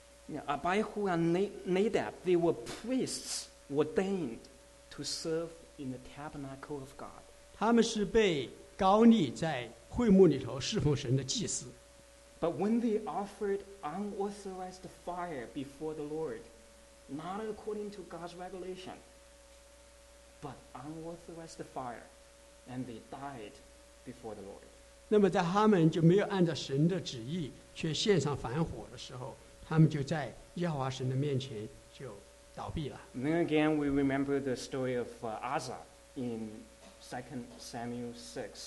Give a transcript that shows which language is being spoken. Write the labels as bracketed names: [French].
[English] Yeah, Abihu and Nadab, they were priests ordained to serve in the tabernacle of God. [Chinese] 他们是被高立在会幕里头侍奉神的祭司。 [English] But when they offered unauthorized fire before the Lord, not according to God's regulation, but unauthorized fire, and they died before the Lord. [Chinese] 那么在他们就没有按照神的旨意却献上燔火的时候，他们就在耶和华神的面前就倒闭了。 [English] Then again we remember the story of Asa in 2 Samuel 6.